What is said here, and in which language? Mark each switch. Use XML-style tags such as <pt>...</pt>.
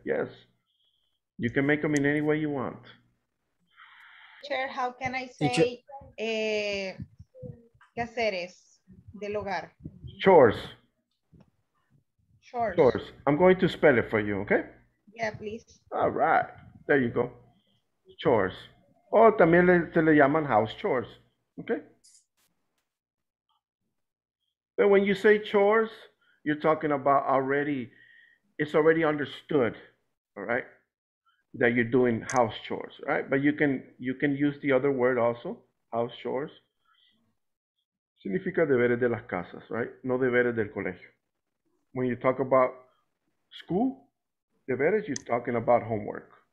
<en>Yes, you can make them in any way you want. Chair, how can I say</en> <es>quehaceres del hogar?</es> <en>Chores. Chores. Chores. I'm going to spell it for you, okay? Yeah, please. All right. There you go. Chores.</en> <es>Oh, también se le llaman house chores, okay?</es> <en>But when you say chores, you're talking about already, it's already understood, all right, that you're doing house chores, right? But you can use the other word also, house chores.</en> <es>Significa deberes de las casas,</es> <en>right?</en> <es>No deberes del colegio.</es> <en>When you talk about school, deberes, you're talking about homework.</en>